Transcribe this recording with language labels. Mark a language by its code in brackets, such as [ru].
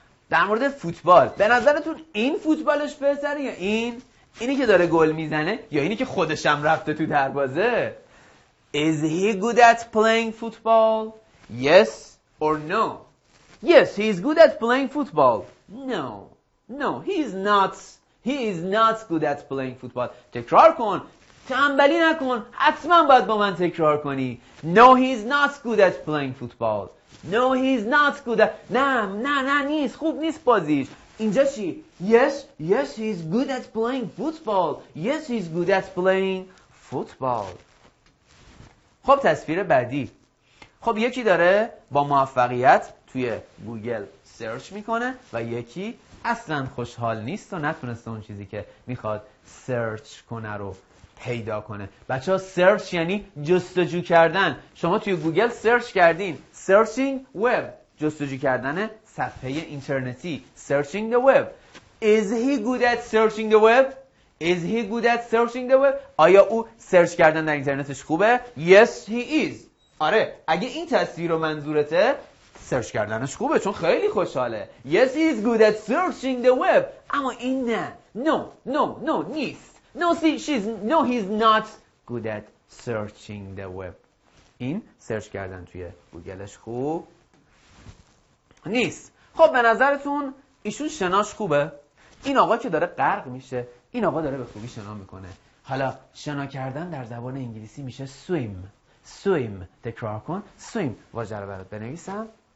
[fa] در مورد فوتبال به نظرتون این فوتبالش بهتره یا این؟ اینی که داره گل میزنه یا اینی که خودش هم رفته تو دروازه؟ [en] Is he good at playing football? Yes or no? Yes, he is good at playing football. No. No, he is not. He is not good at playing football. [fa] تکرار کن. تنبلی نکن. حتما باید با من تکرار کنی. [en] No, he is not good at playing football. No, he is not good at... [fa] نه, نه, نه, نیست. خوب نیست بازیش. اینجا چی؟ [en] Yes, yes, he is good at playing football. Yes, he is good at playing football. [fa] خب تصویر بعدی. خب یکی داره با موفقیت توی گوگل سرچ میکنه و یکی اصلا خوشحال نیست و نتونسته اون چیزی که میخواد سرچ کنه رو پیدا کنه. بچه ها سرچ یعنی جستجو کردن. شما توی گوگل سرچ کردین. سرچینگ ویب جستجو کردن صفحه اینترنتی. سرچینگ دی ویب. [en] Is he good at searching the web? Is he good at searching the web? [fa] آیا او سرچ کردن در اینترنتش خوبه؟ [en] Yes he is. [fa] آره اگه این تصویر رو منظورته سرچ کردنش خوبه چون خیلی خوشحاله. [en] Yes he is good at searching the web. [fa] اما این نه. [en] No, no, no, [fa] نیست. [en] No, see, she's no, he's not good at searching the web. [fa] این سرچ کردن توی گوگلش خوب نیست. خب به نظرتون ایشون شناش خوبه؟ این آقا که داره غرق میشه، این آقا داره به خوبی شنا میکنه. حالا شنا کردن در زبان انگلیسی میشه swim. Swim. تکرار کن. Swim. واژه رو برات بنویسم.